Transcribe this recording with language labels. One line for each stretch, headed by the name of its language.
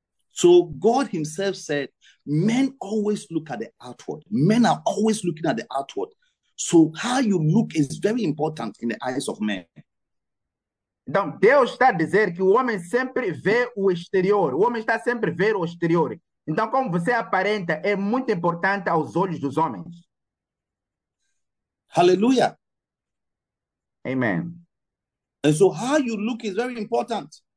English: So God himself said, men always look at the outward. Men are always looking at the outward. So how you look is very important in the eyes of men.
Portuguese: Então, Deus está a dizer que o homem sempre vê o exterior. O homem está sempre a ver o exterior. Então, como você aparenta, é muito importante aos olhos dos homens.
English: Hallelujah.
Portuguese: Amém.
English: And so how you look is very important.